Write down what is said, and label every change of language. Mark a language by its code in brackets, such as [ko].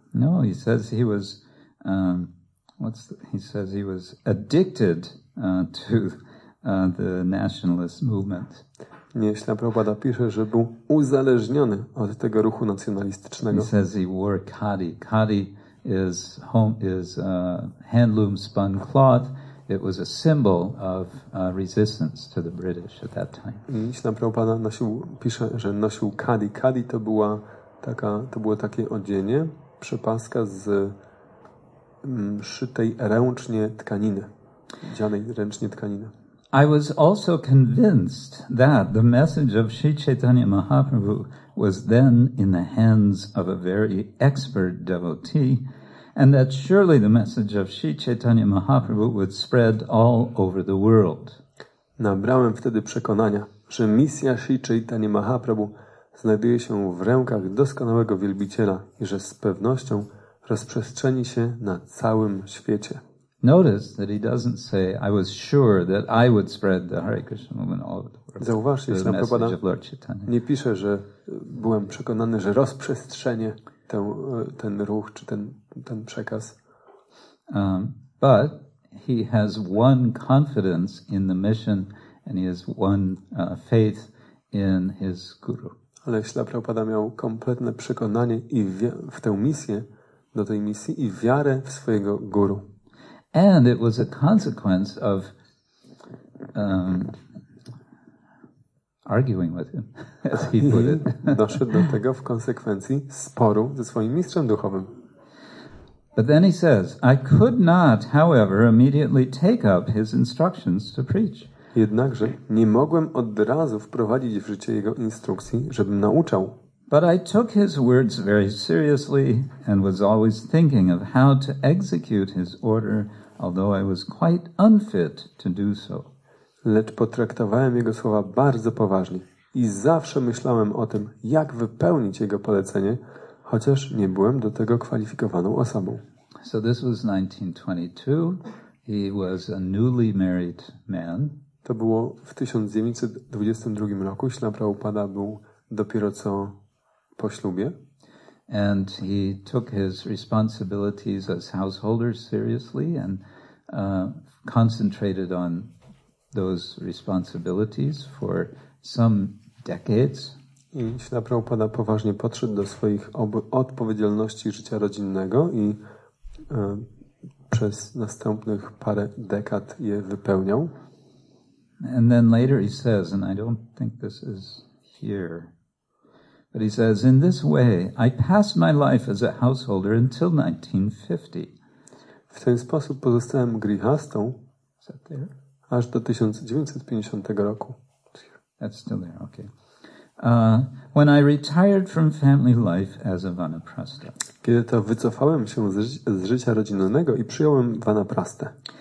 [en] No, he says he was addicted to the nationalist movement. [pl] Nie, Śla Prabhupada pisze, że był uzależniony od tego ruchu nacjonalistycznego. [en] He says he wore khadi. Khadi is home is handloom spun cloth. It was a symbol of resistance to the British at that time. [pl] I Śla Prabhupada pisze, że nosił khadi. Khadi to była taka, to było takie odzienie, przepaska z szytej ręcznie tkaniny, dzianej ręcznie tkaniny. [en] I was also convinced that the message of Sri Chaitanya Mahaprabhu was then in the hands of a very expert devotee, and that surely the message of Sri Chaitanya Mahaprabhu would spread all over the world. [pl] Nabrałem wtedy przekonania, że misja Sri Chaitanya Mahaprabhu znajduje się w rękach doskonałego wielbiciela i że z pewnością rozprzestrzeni się na całym świecie. [en] Notice that he doesn't say, I was sure that I would spread the Hare Krishna movement all over the world. [pl] Zauważcie, że Prabhupada nie pisze, że byłem przekonany, że rozprzestrzenię ten ruch czy ten przekaz. [en] But he has one confidence in the mission and he has one faith in his guru. [pl] Ale Śla Prabhupada miał kompletne przekonanie i w tę misję, do tej misji i wiarę w swojego guru. [en] And it was a consequence of arguing with him, as he put it. [pl] Doszedł do tego w konsekwencji sporu ze swoim mistrzem duchowym. [en] But then he says, I could not, however, immediately take up his instructions to preach. [pl] Jednakże nie mogłem od razu wprowadzić w życie jego instrukcji, żebym nauczał. [en] But I took his words very seriously and was always thinking of how to execute his order, although I was quite unfit to do so. [pl] Lecz potraktowałem jego słowa bardzo poważnie i zawsze myślałem o tym, jak wypełnić jego polecenie, chociaż nie byłem do tego kwalifikowaną osobą. [en] So this was 1922. He was a newly married man. [pl] To było w 1922 roku. Śla Prabhupada był dopiero co po ślubie. [en] And he took his responsibilities as householder seriously and concentrated on those responsibilities for some decades. [pl] I Śla Prabhupada poważnie podszedł do swoich odpowiedzialności życia rodzinnego i przez następnych parę dekad je wypełniał. [en] And then later he says, and I don't think this is here, but he says, in this way, I passed my life as a householder until 1950. [pl] W ten sposób pozostałem grihastą aż do 1950 roku. [en] That's still there, okay. When I retired from family life as a vanaprastha. [pl] Kiedy to wycofałem się z życia rodzinnego i przyjąłem vanaprastę.